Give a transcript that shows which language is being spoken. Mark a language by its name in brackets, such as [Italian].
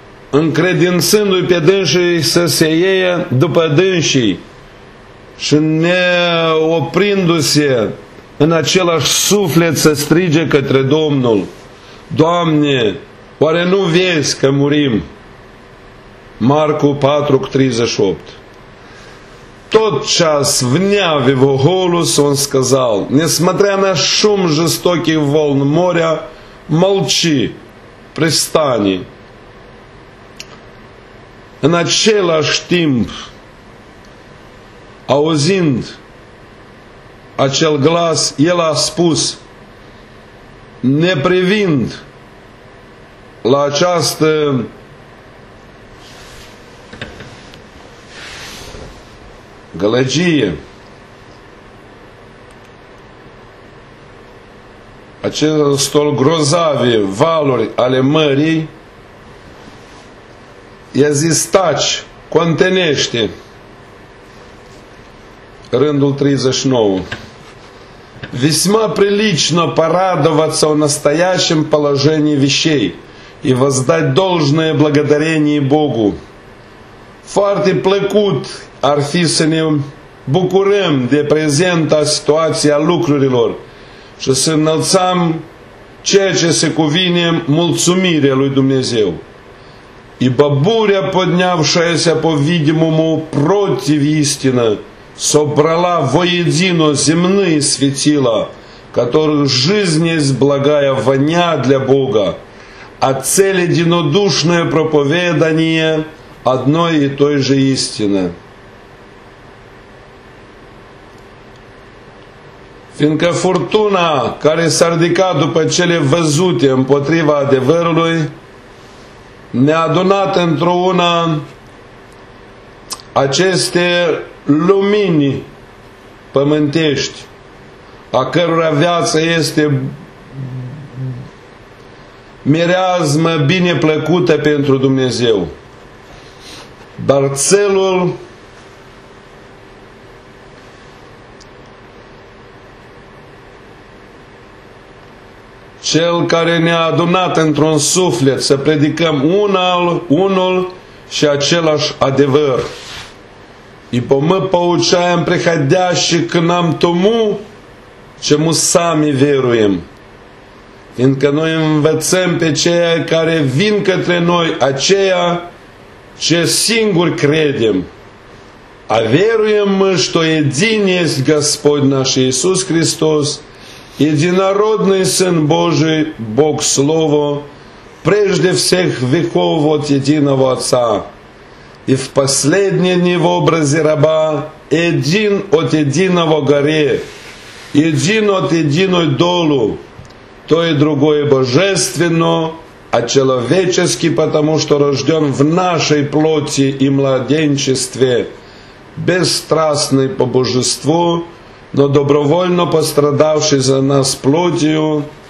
[Romanian] Încredințându-i pe dânșii să se ieie după dânșii și ne oprindu-se în același suflet să strige către Domnul: Doamne, oare nu vezi că murim? Marcu 4:38. [Russian] Тот час вняв его голос, он сказал, несмотря на шум жестоких волн моря, молчи, пристани. [Romanian] În același timp, auzind acel glas, el a spus, neprivind la această gălăgie, acest grozave valuri ale mării, i-a zis, taci, contenește. Rândul 39. [Russian] Весьма прилично порадоваться о настоящем положении вещей и воздать должное благодарение Богу. [Romanian] Foarte plăcut ar fi să ne bucurăm de prezenta situația lucrurilor și să înălțăm ceea ce se cuvine mulțumirea lui Dumnezeu. [Russian] Ибо буря, поднявшаяся, по-видимому, против истины, собрала воедино земные светила, которых жизнь есть благая воня для Бога, а цель единодушное проповедание одной и той же истины. Фінка фортуна, [Romanian] care s-a ridicat după cele văzute împotriva adevărului, ne-a adunat într-una aceste lumini pământești, a cărora viață este mireazmă bine plăcută pentru Dumnezeu. Dar țelul Cel care ne-a adunat într-un suflet să predicăm unul și același adevăr. [Russian] Ибо мы получаем приходящих к нам тому, чему сами веруем. [Romanian] Fiindcă noi învățăm pe ceea care vin către noi, aceea ce singur credem. [Russian] А веруем мы, что един есть Господь наш Иисус Христос, Единородный Сын Божий, Бог Слово, прежде всех веков от Единого Отца, и в последние дни в образе раба, един от Единого горе, един от Единой долу, то и другое божественно, а человечески, потому что рожден в нашей плоти и младенчестве, бесстрастный по божеству, но добровольно пострадавший за нас плотью,